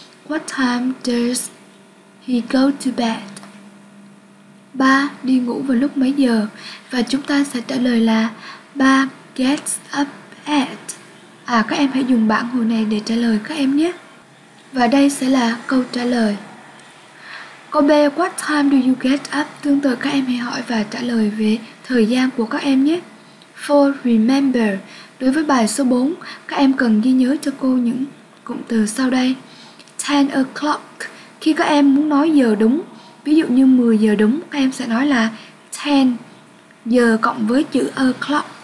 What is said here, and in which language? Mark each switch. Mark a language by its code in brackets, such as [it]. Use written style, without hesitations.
[en] What time does he go to bed? [vi] Ba đi ngủ vào lúc mấy giờ? Và chúng ta sẽ trả lời là ba [en] gets up at. [vi] À, các em hãy dùng bảng hồi này để trả lời các em nhé. Và đây sẽ là câu trả lời. Câu B, [en] what time do you get up? [vi] Tương tự các em hãy hỏi và trả lời về thời gian của các em nhé. 4, remember. Đối với bài số 4, các em cần ghi nhớ cho cô những cụm từ sau đây. [en] 10 o'clock. [vi] Khi các em muốn nói giờ đúng, ví dụ như 10 giờ đúng, các em sẽ nói là 10 giờ cộng với chữ o'clock.